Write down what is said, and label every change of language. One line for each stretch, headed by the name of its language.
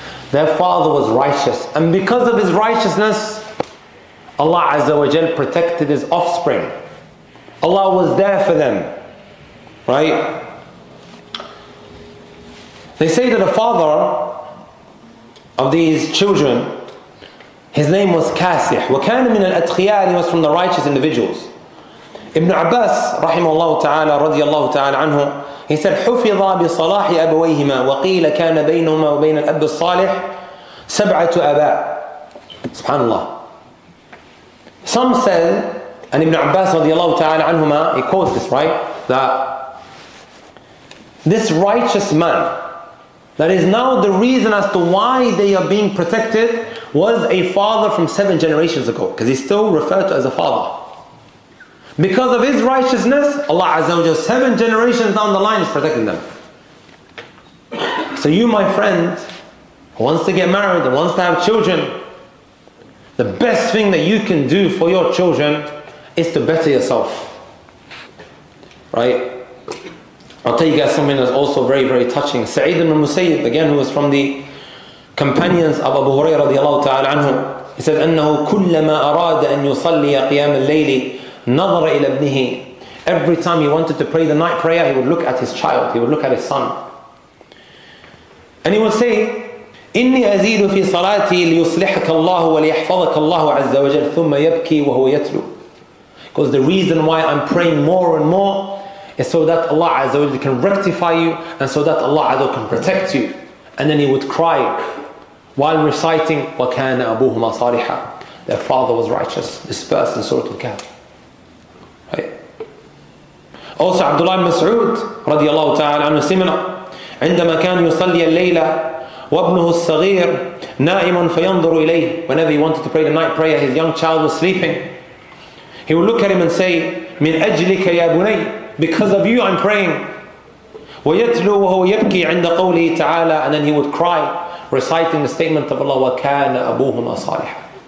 English: Their father was righteous, and because of his righteousness, Allah Azza wa Jal protected his offspring. Allah was there for them. Right? They say that the father of these children, his name was Kasih.
Arabic: وَكَانَ مِنَ الْأَتْخِيَارِ.
English: He was from the righteous individuals.
Arabic: Ibn Abbas, rahimahullahu ta'ala, radiyallahu ta'ala anhu,
English: he said,
Arabic: حُفِظَ بِصَلَاحِ أَبَوَيْهِمَا وَقِيلَ كَانَ بَيْنُهُمَا وَبَيْنَ الْأَبِّ الصَّالِحِ سَبْعَةُ أَبَاءٍ.
English: Subhanallah. Some said, and Ibn Abbas, radiyallahu ta'ala anhuma, he quotes this, right? That this righteous man, that is now the reason as to why they are being protected, was a father from seven generations ago, because he's still referred to as a father. Because of his righteousness, Allah Azza wa Jalla, seven generations down the line, is protecting them. It's So you, my friend, who wants to get married, who wants to have children, the best thing that you can do for your children is to better yourself. Right? I'll tell you guys something that's also very, very touching. Sa'id ibn Musayyib, again, who was from the companions of Abu Hurairah radiallahu ta'ala anhu, he said,
Arabic: أنه كلما أراد أن يصلي قيام الليل نظر إلى ابنه.
English: Every time he wanted to pray the night prayer, he would look at his child, he would look at his son. And he would say,
Arabic: إني أزيد في صلاتي ليصلحك الله وليحفظك الله عز وجل ثم يبكي وهو يتلو.
English: Because the reason why I'm praying more and more is so that Allah Azza wa Jalla can rectify you and so that Allah Azza wa Jalla can protect you. And then he would cry while reciting,
Arabic: وَكَانَ أَبُوهُمَا صَالِحًا.
English: Their father was righteous. This verse in Surah Al-Kahf. Right. Also,
Arabic: Abdullah ibn Mas'ud رضي الله تعالى عنه سمنا عندما كان يصلي الليلة وابنه الصغير نائم فينظر إليه.
English: Whenever he wanted to pray the night prayer, his young child was sleeping. He would look at him and say,
Arabic: من أجلك يا بني,
English: because of you I'm praying.
Arabic: وَيَتْلُو وَهُوَ يَبْكِي عِنْدَ قَوْلِهِ تَعَالَى.
English: And then he would cry, reciting the statement of Allah,
Arabic: وَكَانَ أَبُوهُمَا صَالِحًا.